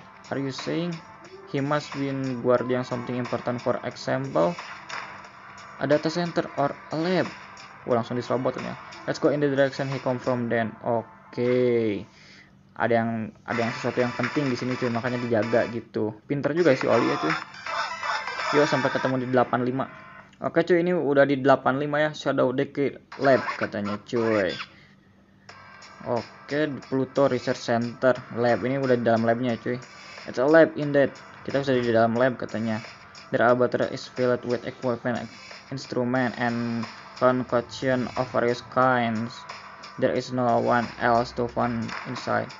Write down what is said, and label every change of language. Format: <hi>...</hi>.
<en>Are you saying he must been guarding something important, for example a data center or a lab?</en> <id>Oh, langsung diserobotnya.</id> <en>Let's go in the direction he come from then. Okay.</en> <id>Ada yang sesuatu yang penting di sini cuy, makanya dijaga gitu. Pinter juga si Oli ya cuy. Yo, sampai ketemu di 85. Oke cuy, ini udah di 85 ya, Shadow Decree Lab katanya cuy. Oke, Pluto Research Center Lab. Ini udah di dalam labnya cuy.</id> <en>It's a lab indeed.</en> <id>Kita bisa di dalam lab katanya.</id> <en>The laboratory is filled with equipment, instrument and concoction of various kinds. There is no one else to find inside.</en>